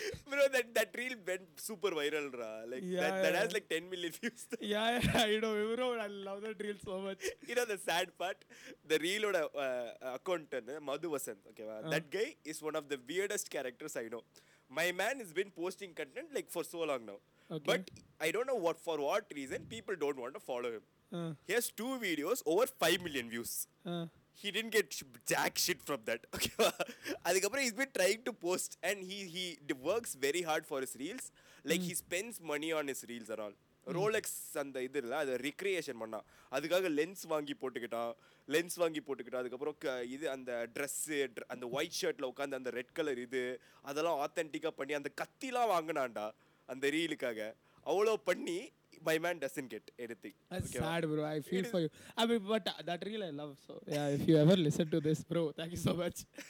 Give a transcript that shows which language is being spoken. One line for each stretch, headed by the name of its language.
English: Bro? That reel went super viral ரா. Like that has like 10 million views. Yeah yeah, I do bro, I love that reel so much. You know the sad part, the ரீலோட account வந்து மது வசந்த், ஓகேவா? That guy is one of the weirdest characters I know. My man has been posting content like for so long now. Okay. But I don't know what, for what reason people don't want to follow him. He has 2 videos over 5 million views. He didn't get jack shit from that. Okay. He's been trying to post, and he works very hard for his reels. Like he spends money on his reels and all.
Tamil: Rolex அந்த இது இல்லை, அதை recreation பண்ணால் அதுக்காக lens வாங்கி போட்டுக்கிட்டோம் அதுக்கப்புறம் இது அந்த ட்ரெஸ்ஸு, அந்த ஒயிட் ஷர்ட்டில் உட்காந்து அந்த ரெட் கலர் இது அதெல்லாம் ஆத்தென்டிக்காக பண்ணி அந்த கத்திலாம் வாங்கினான்டா அந்த ரீலுக்காக. அவ்வளோ பண்ணி
English: my man doesn't get anything. That's okay, sad, bro. I feel for you. I mean, but that reel I love. So, yeah, if you ever listen to this, bro, thank you so much.